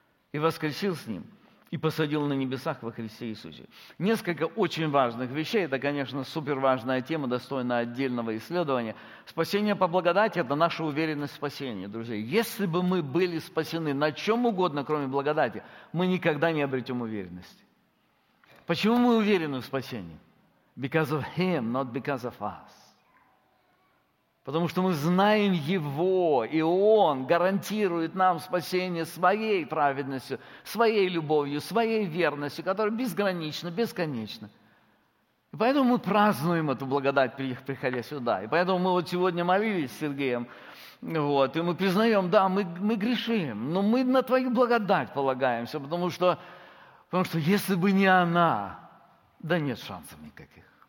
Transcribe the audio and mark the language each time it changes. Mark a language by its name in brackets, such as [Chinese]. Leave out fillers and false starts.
[Russian] И воскресил с Ним и посадил на небесах во Христе Иисусе. Несколько очень важных вещей, это, конечно, суперважная тема, достойная отдельного исследования. Спасение по благодати – это наша уверенность в спасении, друзья. Если бы мы были спасены на чем угодно, кроме благодати, мы никогда не обретем уверенности. Почему мы уверены в спасении? [English] Because of Him, not because of us. [Russian] Потому что мы знаем Его, и Он гарантирует нам спасение своей праведностью, своей любовью, своей верностью, которая безгранична, бесконечна. И поэтому мы празднуем эту благодать, приходя сюда. И поэтому мы вот сегодня молились с Сергеем, вот, и мы признаем, да, мы грешим, но мы на Твою благодать полагаемся, потому что если бы не она, да нет шансов никаких.